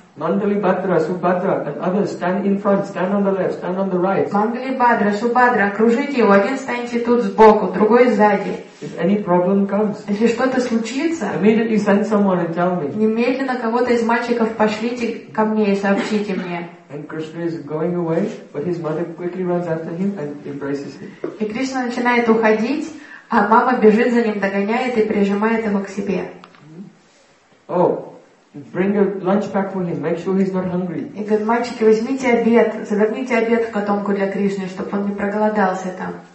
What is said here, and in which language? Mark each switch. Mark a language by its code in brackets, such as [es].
[en] Mandali Bhadra, Subhadra, and others stand in front, stand on the left, stand on the right. [ru] Mandali Bhadra, Subhadra, окружите его. Один станьте тут сбоку, другой сзади. [en] If any problem comes, [ru] если что-то случится, [en] immediately send someone and tell me. [ru] Немедленно кого-то из мальчиков пошлите ко мне и сообщите мне. [en] And Krishna is going away, but his mother quickly runs after him and embraces him. [ru] И Кришна начинает уходить, а мама бежит за ним, догоняет и прижимает его к себе. [en] Oh. Bring a lunch pack for him. Make sure he's not hungry. [ru] И говорит, мальчики, возьмите обед, заверните обед в котомку для Кришны, чтобы он не проголодался там.